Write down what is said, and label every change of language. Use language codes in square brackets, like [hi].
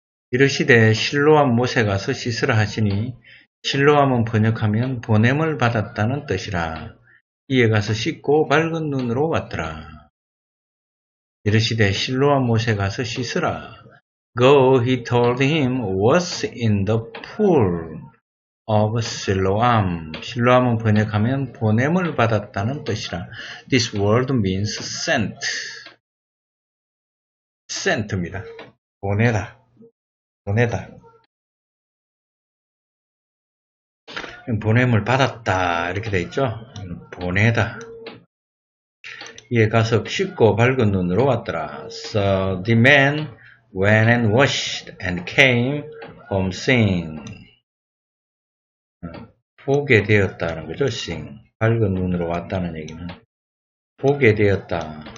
[ko] 이르시되 실로암 못에 가서 씻으라 하시니 실로암은 번역하면 보냄을 받았다는 뜻이라 이에 가서 씻고 밝은 눈으로 왔더라. 이르시되 실로암 못에 가서 씻으라. [en] Go, he told him, what's in the pool of Siloam. [ko] 실로암은 번역하면 보냄을 받았다는 뜻이라. [en] This word means sent. [ko] Sent입니다. 보내다. 보내다. 보냄을 받았다. 이렇게 돼 있죠? 보내다. 이에 가서 씻고 밝은 눈으로 왔더라. [en] So the man went and washed and came home seeing. [ko] 보게 되었다는 거죠. seeing. 밝은 눈으로 왔다는 얘기는 보게 되었다.